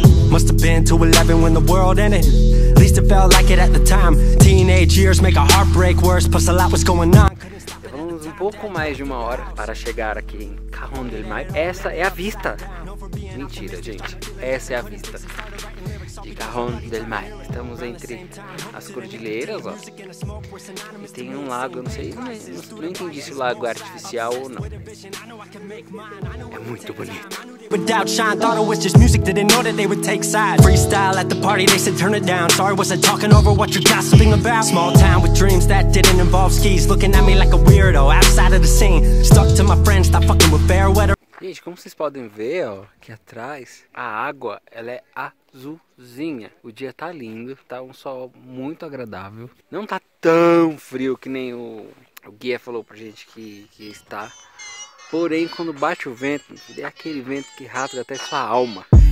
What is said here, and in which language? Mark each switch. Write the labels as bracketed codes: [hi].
[en] Must have been to 11 when the world ended. At least it felt like it at the time. Teenage years make a heartbreak worse. Plus a lot was going on. [pt] Levamos um pouco mais de uma hora para chegar aqui em Cajón del Maipo. Essa é a vista. Mentira, gente. Essa é a vista de Cajón del Maipo. Estamos entre as cordilheiras, ó. E tem um lago, não sei, não entendi se o lago é artificial ou não. É muito bonito. [en] Without shine, thought it was just music, didn't know that they would take sides. Freestyle at the party, they said turn it down. Sorry, wasn't talking over what you're gossiping about. Small town with dreams that didn't involve skis. Looking at me like a weirdo, outside of the scene. Stuck to my friends, stop fucking with fair weather. [pt] Gente, como vocês podem ver, ó, aqui atrás, a água, ela é azulzinha. O dia tá lindo, tá um sol muito agradável. Não tá tão frio que nem o guia falou pra gente que está. Porém, quando bate o vento, é aquele vento que rasga até sua alma.